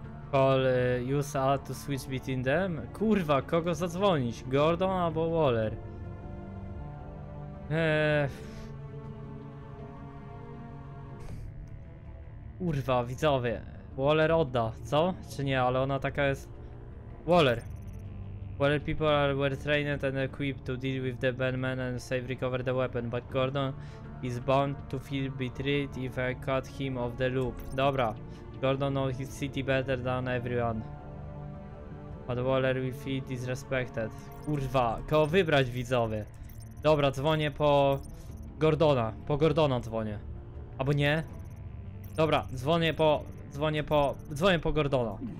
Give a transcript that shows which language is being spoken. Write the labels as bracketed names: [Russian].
[English] Call, use A to switch between them? [Polish] Kurwa, kogo zadzwonić? Gordon albo Waller? Kurwa, widzowie. Waller odda, co? Czy nie, ale ona taka jest... Waller. [English] Well, people are well trained and equipped to deal with the Batman and safely recover the weapon, but Gordon is bound to feel betrayed if I cut him off the loop. Dobra, Gordon knows his city better than everyone. But Waller will feel disrespected. [Polish] Kurwa, kogo wybrać, widzowie? Dobra, dzwonię po Gordona. Po Gordona dzwonię. Albo nie? Dobra, dzwonię po Gordona.